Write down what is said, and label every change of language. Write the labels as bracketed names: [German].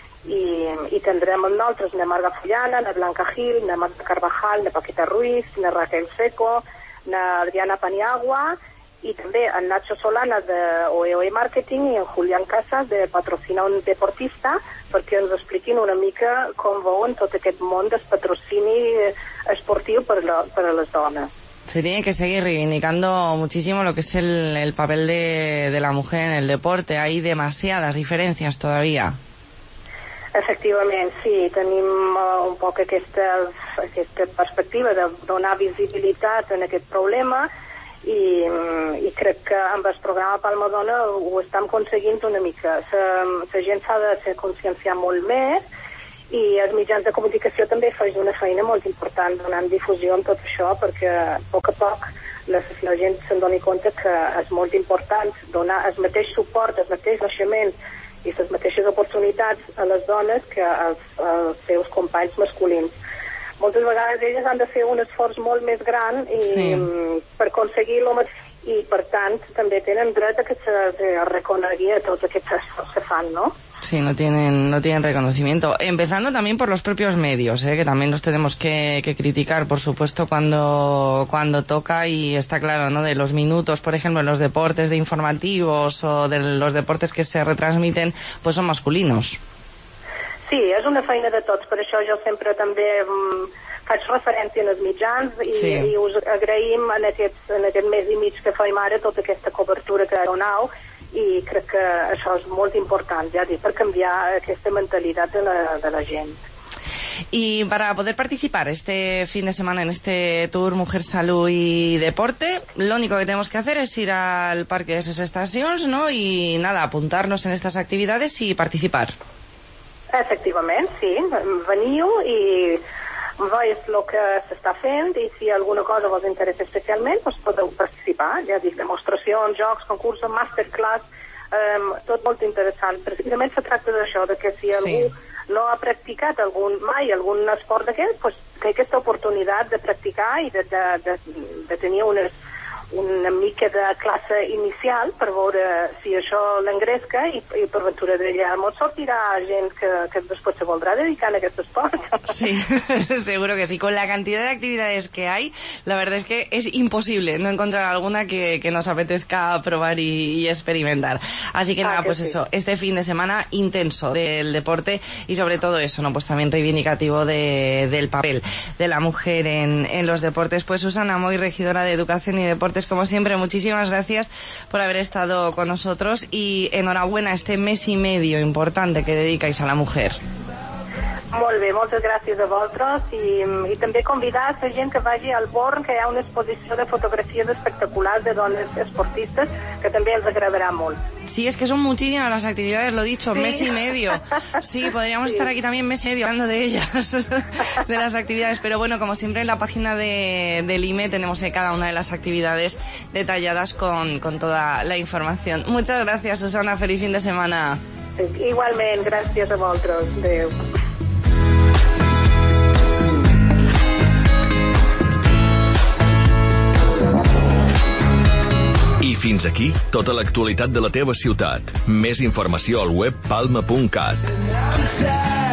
[Catalan] I tindrem amb nosaltres la Marga Fullana, la Blanca Gil, la Marta Carvajal, la Paquita Ruiz, la Raquel Seco, la Adriana Paniagua, i també en Nacho Solana de OEOE Marketing i en Julián Casas de Patrocina un Deportista, perquè ens expliquin una mica com veuen tot aquest món del patrocini esportiu per a les dones. [Spanish] Se tiene que seguir reivindicando muchísimo lo que es el papel de la mujer en el deporte. Hay demasiadas diferencias todavía. [Catalan] Efectivament, sí. Tenim un poc aquesta perspectiva de donar visibilitat en aquest problema, i crec que amb el programa Palmadona ho estem aconseguint una mica. La gent s'ha de ser conscienciar molt més, i els mitjans de comunicació també fan una feina molt important donant difusió en tot això, perquè a poc la gent se'n doni compte que és molt important donar el mateix suport, el mateix naixement i les mateixes oportunitats oportunitats a les dones que als seus companys masculins. Moltes vegades elles han de fer un esforç molt més gran i, sí, per aconseguir el mateix, i per tant també tenen dret a que se reconegui a tots aquests esforços que fan, no? [Spanish] Sí, no tienen reconocimiento. Empezando también por los propios medios, que también los tenemos que criticar, por supuesto, cuando toca, y está claro, ¿no? De los minutos, por ejemplo, en los deportes de informativos o de los deportes que se retransmiten, pues son masculinos. [Catalan] Sí, es una feina de tots, per això jo sempre també faig referència en els mitjans i, sí, i us agraïm en aquest mes i mig que fem ara tota aquesta cobertura que donau. I crec que això és molt important, ja dic, per canviar aquesta mentalitat de la gent. [Spanish] Y para poder participar este fin de semana en este tour Mujer, Salud y Deporte, lo único que tenemos que hacer es ir al Parque de Ses Estacions, ¿no? Y nada, apuntarnos en estas actividades y participar. [Catalan] Efectivament, sí, veniu i veus el que s'està fent, i si alguna cosa vos interessa especialment, doncs podeu participar. Ja dic, demostracions, jocs, concursos, masterclass, tot molt interessant. Precisament se tracta d'això, de que si algú, sí, no ha practicat mai algun esport d'aquest, doncs té aquesta oportunitat de practicar i de tenir una mica de classe inicial per veure si això l'engresca i per ventura d'allà molt sortirà gent que després se voldrà dedicar a aquest esport. [Spanish] Sí, seguro que sí. Con la cantidad de actividades que hay, la verdad es que es imposible no encontrar alguna que nos apetezca probar y experimentar. Así que nada, pues sí, eso, este fin de semana intenso del deporte y sobre todo eso, ¿no? Pues también reivindicativo del papel de la mujer en los deportes. Pues Susana Moy, regidora de Educación y Deporte, como siempre, muchísimas gracias por haber estado con nosotros y enhorabuena a este mes y medio importante que dedicáis a la mujer. [Catalan] Molt bé, moltes gràcies a vosaltres i també convidar a la gent que vagi al Born, que hi ha una exposició de fotografies espectaculars de dones esportistes que també els agradarà molt. [Spanish] Sí, es que son muchísimas las actividades, lo dicho, sí, mes y medio. Sí, podríamos, sí, estar aquí también mes y medio hablando de ellas, de las actividades, pero bueno, como siempre en la página del IME tenemos cada una de las actividades detalladas con toda la información. Muchas gracias, Susana, feliz fin de semana. [Catalan] Sí, igualment, gràcies a vosaltres. Adéu. I fins aquí tota l'actualitat de la teva ciutat. Més informació al web palma.cat.